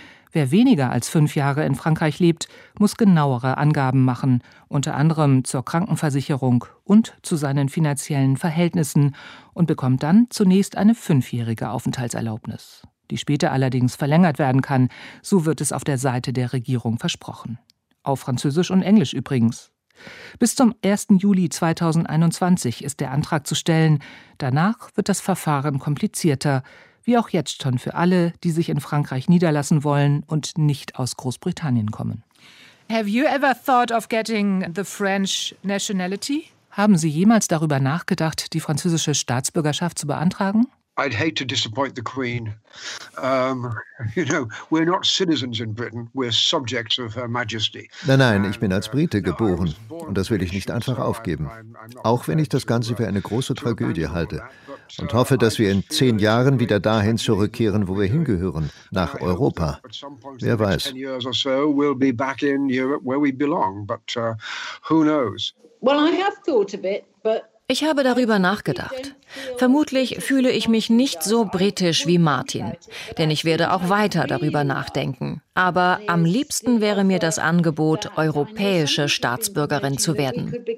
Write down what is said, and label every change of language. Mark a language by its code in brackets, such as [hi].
[de] Wer weniger als 5 Jahre in Frankreich lebt, muss genauere Angaben machen, unter anderem zur Krankenversicherung und zu seinen finanziellen Verhältnissen und bekommt dann zunächst eine 5-jährige Aufenthaltserlaubnis, die später allerdings verlängert werden kann, so wird es auf der Seite der Regierung versprochen. Auf Französisch und Englisch übrigens. Bis zum 1. Juli 2021 ist der Antrag zu stellen, danach wird das Verfahren komplizierter, wie auch jetzt schon für alle, die sich in Frankreich niederlassen wollen und nicht aus Großbritannien kommen. [en] Have you ever thought of getting the French nationality? [de] Haben Sie jemals darüber nachgedacht, die französische Staatsbürgerschaft zu beantragen? [en] I'd hate to disappoint the Queen. You know, we're not citizens in Britain, we're subjects of Her Majesty. [de] Nein, nein, ich bin als Brite geboren und das will ich nicht einfach aufgeben. Auch wenn ich das Ganze für eine große Tragödie halte und hoffe, dass wir in 10 Jahren wieder dahin zurückkehren, wo wir hingehören, nach Europa. Wer weiß. [en] We'll be back in Europe where we belong, but who knows? Well, I have thought a bit, but [de] ich habe darüber nachgedacht. Vermutlich fühle ich mich nicht so britisch wie Martin, denn ich werde auch weiter darüber nachdenken. Aber am liebsten wäre mir das Angebot, europäische Staatsbürgerin zu werden.